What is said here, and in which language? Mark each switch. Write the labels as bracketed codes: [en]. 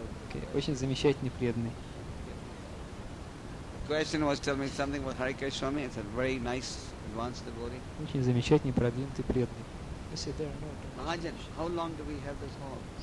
[ru] Okay, очень замечательный преданный. [en] The question was, tell me something about Harikesh Swami. It's a very nice, advanced devotee. [ru] Очень замечательный, продвинутый преданный. [en] Mahajan, how long do we have this hall?